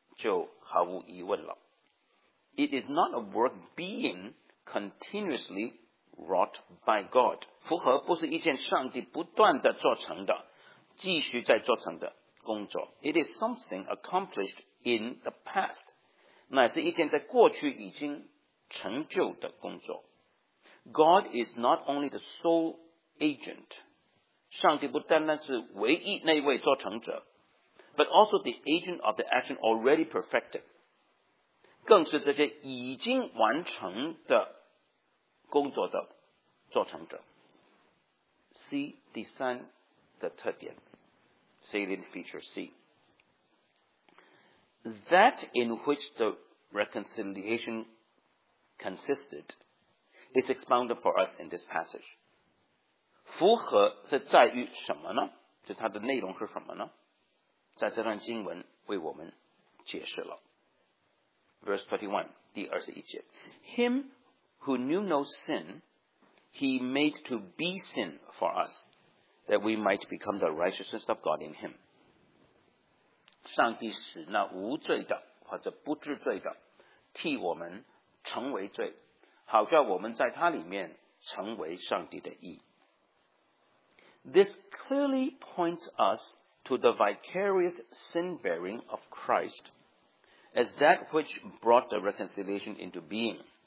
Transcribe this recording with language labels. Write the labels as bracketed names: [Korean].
[Chinese] 我们看到第十八节、第十九节和第二十一节的时态就毫无疑问了。It [English] is not a work being continuously wrought by God. [Chinese] 复合不是一件上帝不断地做成的，继续在做成的工作。It [English] is something accomplished in the past. [Chinese] 乃是一件在过去已经成就的工作。God [English] is not only the sole agent. [Chinese] 上帝不单单是唯一那位做成者，but [English] also the agent of the action already perfected. [Chinese] 更是这些已经完成的工作的 做成者。C, 第三的特点。 [English] Salient feature C. That in which the reconciliation consisted is expounded for us in this passage. [Chinese] 复合是在于什么呢?就它的内容是什么呢? 在这段经文为我们解释了。Verse 21, 第21节。Him [English] who knew no sin, he made to be sin for us, that we might become the righteousness of God in him. [Chinese] 上帝使那无罪的或者不治罪的替我们成为罪，好叫我们在他里面成为上帝的义。 [English] This clearly points us to the vicarious sin-bearing of Christ as that which brought the reconciliation into being.